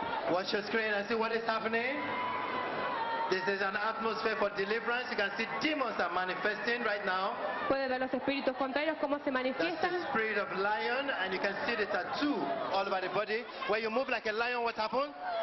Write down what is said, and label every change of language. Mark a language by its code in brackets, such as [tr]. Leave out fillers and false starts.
[en] Watch your screen and see what is happening. This is an atmosphere for deliverance. You can see demons are manifesting right now. [es] Puede ver los espíritus contrarios cómo se manifiestan. [en] That's the spirit of lion, and you can see the tattoo all over the body. When you move like a lion, what happened?